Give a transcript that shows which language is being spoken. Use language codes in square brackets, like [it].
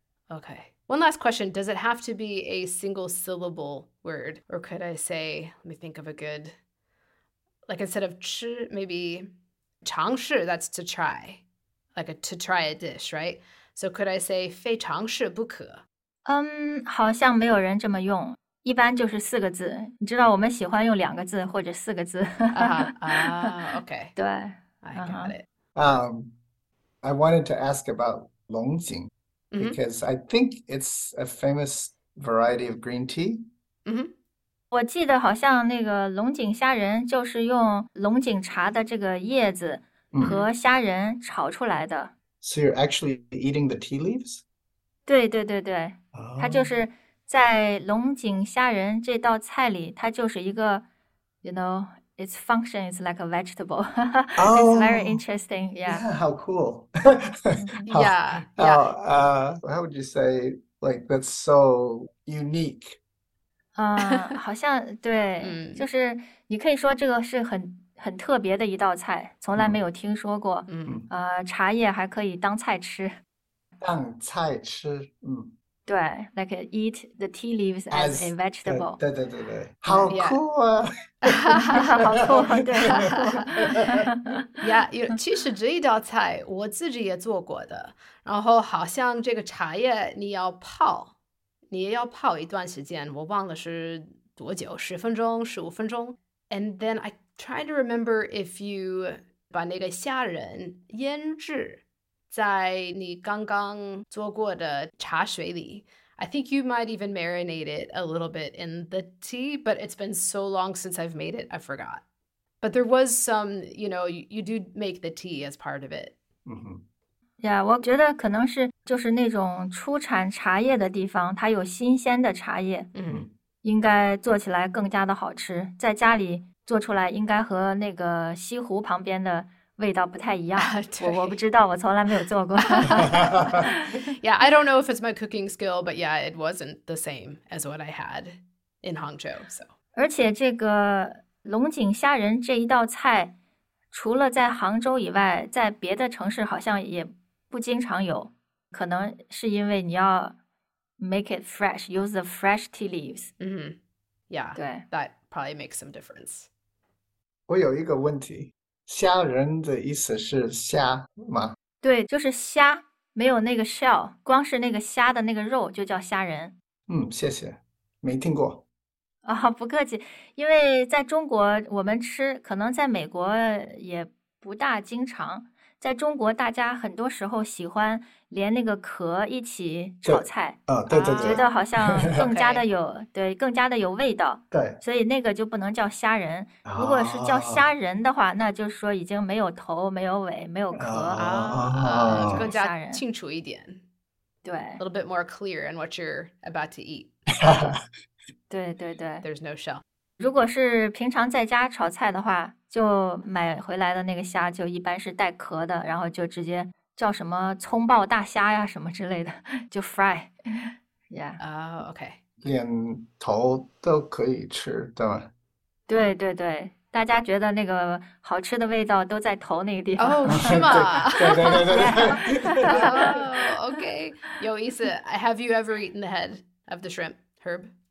[en] Okay. One last question. Does it have to be a single syllable word? Or could I say, let me think of a good, like, instead of 吃, maybe 尝试, that's to try, like, to try a dish, right? So, could I say, [zh] 非尝试不可? 好像没有人这么用，一般就是四个字。你知道我们喜欢用2个字或者4个字， [en] Okay. [zh] 对， [en] I got it. I wanted to ask about Longjing because I think it's a famous variety of green tea. [zh] 我记得好像那个龙井虾仁就是用龙井茶的这个叶子和虾仁炒出来的。 [en] So you're actually eating the tea leaves? [zh] 对，它就哦，是在龙井虾仁这道菜里，它就是一个。 [en] You know, its function is like a vegetable. It's very interesting. Yeah. yeah, how cool. Yeah, yeah. How would you say, like, that's so unique? [zh] 好像对，就是你可以说这个是很特别的一道菜，从来没有听说过。茶叶还可以当菜吃。当菜吃， [en] 对，like eat the tea leaves as a As vegetable. [zh] 对，好 [en] Yeah. [zh] 酷啊！好酷，对，呀，有，其实这一道菜我自己也做过的。然后好像这个茶叶你也要泡一段时间，我忘了是多久，10分钟、15分钟。 [en] And then I try to remember if you [zh] 把那个虾仁腌制在你刚刚做过的茶水里。 [en] I think you might even marinate it a little bit in the tea, but it's been so long since I've made it, I forgot. But there was some, you do make the tea as part of it. [zh] 呀，我觉得可能是就是那种出产茶叶的地方，它有新鲜的茶叶，应该做起来更加的好吃。在家里做出来，应该和那个西湖旁边的味道不太一样。我不对。知道，我从来没有做过。 [en] Yeah, I don't know if it's my cooking skill, but yeah, it wasn't the same as what I had in Hangzhou, so. [zh] 而且这个龙井虾仁这一道菜。除了在杭州以外，在别的城市好像也不经常有，可能是因为你要 [en] make it fresh, use the fresh tea leaves。 Yeah, [zh] 对。 [en] that probably makes some difference. [zh] 我有一个问题，虾仁的意思是虾吗？对，就是虾，没有那个 shell，光是那个虾的那个肉就叫虾仁。嗯，谢谢，没听过。啊，不客气，因为在中国我们吃，可能在美国也不大经常。在中国，大家很多时候喜欢连那个壳一起炒菜，对对觉得好像更加的对，有，对，更加的有味道，对，所以那个就不能叫虾仁。如果是叫啊虾仁的话，那就是说已经没有头、没有尾、没有壳啊，就就更是加虾仁。清楚一点对， [en] ，a little bit more clear in what you're about to eat。 [zh] 对对对。 [en] There's no shell。 [zh] 如果是平常在家炒菜的话，就买回来的那个虾就一般是带壳的，然后就直接叫什么葱爆大虾呀什么之类的，就 fry，yeah。 [en] OK。 [zh] 连头都可以吃，对吧？对对对，大家觉得那个好吃的味道都在头那个地方。哦，是吗？对。哦，OK，有意思。 [en] Have you ever eaten the head of the shrimp, Herb?